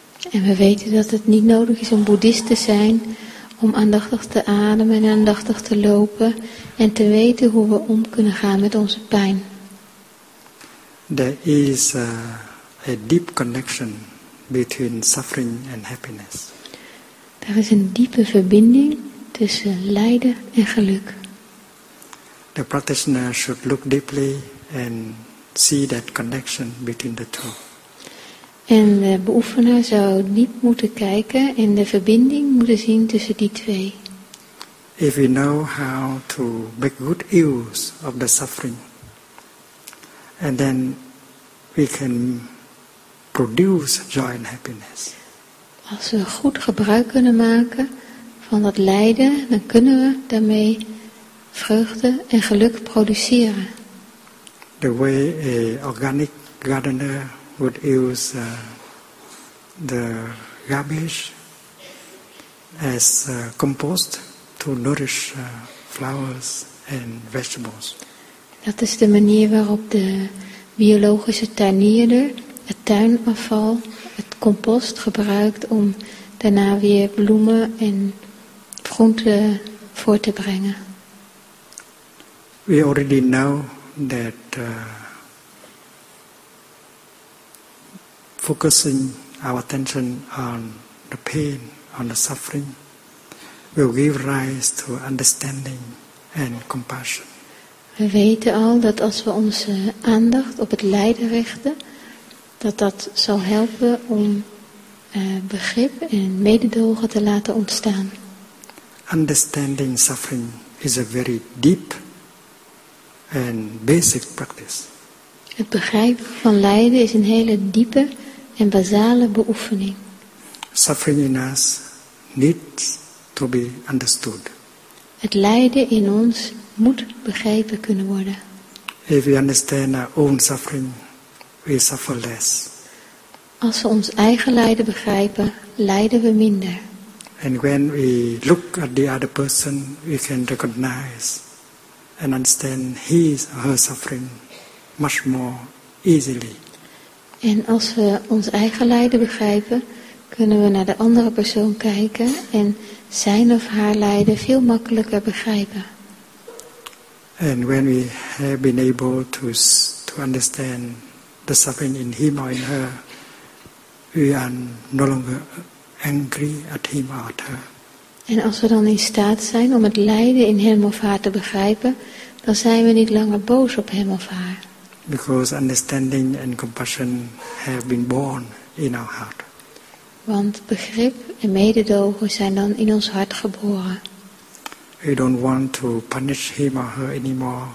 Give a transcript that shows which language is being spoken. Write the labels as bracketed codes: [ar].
[nl] En we weten dat het niet nodig is om boeddhist te zijn om aandachtig te ademen en aandachtig te lopen en te weten hoe we om kunnen gaan met onze pijn. [en] There is a deep connection between suffering and happiness. [nl] Er is een diepe verbinding tussen lijden en geluk. [en] The practitioner should look deeply and see that connection between the two. [nl] En de beoefenaar zou diep moeten kijken en de verbinding moeten zien tussen die twee. [en] If we know how to make good use of the suffering, and then we can produce joy and happiness. [nl] Als we goed gebruik kunnen maken van dat lijden, dan kunnen we daarmee vreugde en geluk produceren. [en] The way a organic gardener would use the garbage as compost to nourish flowers and vegetables. [nl] Dat is de manier waarop de biologische tuinierder het tuinafval, het compost gebruikt om daarna weer bloemen en groenten voor te brengen. [en] We already know that focusing our attention on the pain, on the suffering, will give rise to understanding and compassion. [nl] We weten al dat als we onze aandacht op het lijden richten, dat dat zal helpen om begrip en mededogen te laten ontstaan. [en] Understanding suffering is a very deep and basic practice. [nl] Het begrijpen van lijden is een hele diepe en basale beoefening. [en] Suffering in us needs to be understood. [nl] Het lijden in ons moet begrepen kunnen worden. [en] If we understand our own suffering, we suffer less. [nl] Als we ons eigen lijden begrijpen, lijden we minder. [en] And when we look at the other person, we can recognize and understand his or her suffering much more easily. [nl] En als we ons eigen lijden begrijpen, kunnen we naar de andere persoon kijken en zijn of haar lijden veel makkelijker begrijpen. [en] And when we have been able to understand the suffering in him or in her, we are no longer angry at him or at her. [nl] En als we dan in staat zijn om het lijden in hem of haar te begrijpen, dan zijn we niet langer boos op hem of haar. [en] Because understanding and compassion have been born in our heart. [nl] Want begrip en mededogen zijn dan in ons hart geboren. [en] We don't want to punish him or her anymore.